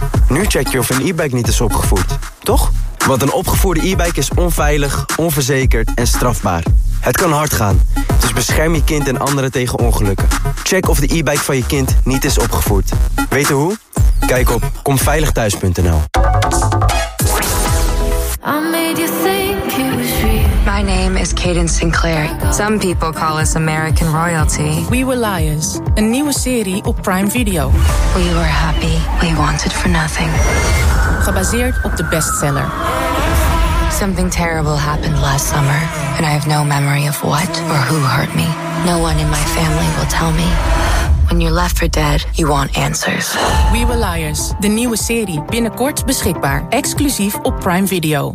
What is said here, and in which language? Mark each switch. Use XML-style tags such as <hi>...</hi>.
<nl>Nu check je of een e-bike niet is opgevoerd, toch? Want een opgevoerde e-bike is onveilig, onverzekerd en strafbaar. Het kan hard gaan, dus bescherm je kind en anderen tegen ongelukken. Check of de e-bike van je kind niet is opgevoerd. Weet je hoe? Kijk op komveiligthuis.nl.</nl> <en>My name is Caden Sinclair. Some people call us American royalty.</en> <nl>We Were Liars, een nieuwe serie op Prime Video.</nl> <en>We were happy. We wanted for nothing.</en> <nl>Gebaseerd op de bestseller.</nl> <en>Something terrible happened last summer, and I have no memory of what or who hurt me. No one in my family will tell me. When you're left for dead, you want answers.</en> <nl>We Were Liars, de nieuwe serie, binnenkort beschikbaar, exclusief op Prime Video.</nl>